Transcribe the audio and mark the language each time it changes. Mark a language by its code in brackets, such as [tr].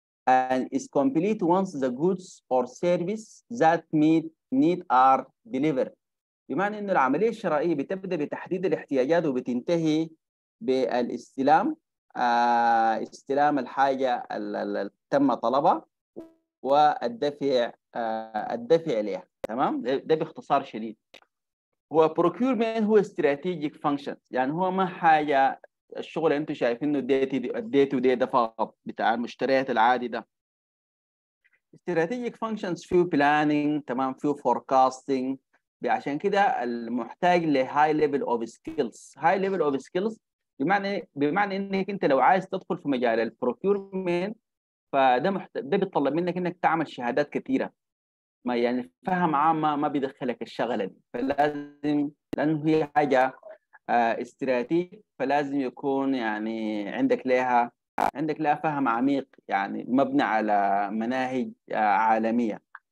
[en] and is complete once the goods or service that meet need are delivered، [ar] بمعنى انه العمليه الشرائيه بتبدا بتحديد الاحتياجات وبتنتهي بالاستلام، استلام الحاجه اللي تم طلبها والدفع الدفع ليها، تمام؟ ده باختصار شديد. هو procurement هو strategic function، يعني هو ما حاجه الشغل انتم شايفينه day to day ده فقط بتاع المشتريات العادي ده. strategic functions فيه planning، تمام؟ فيه forecasting، عشان كده المحتاج ل [en] high level of skills. high level of skills [ar] بمعنى انك انت لو عايز تدخل في مجال البروكيورمنت فده ده بيتطلب منك انك تعمل شهادات كثيره، ما يعني فهم عام ما بيدخلك الشغله دي، فلازم لانه هي حاجه استراتيجي فلازم يكون يعني عندك لها فهم عميق، يعني مبني على مناهج عالميه.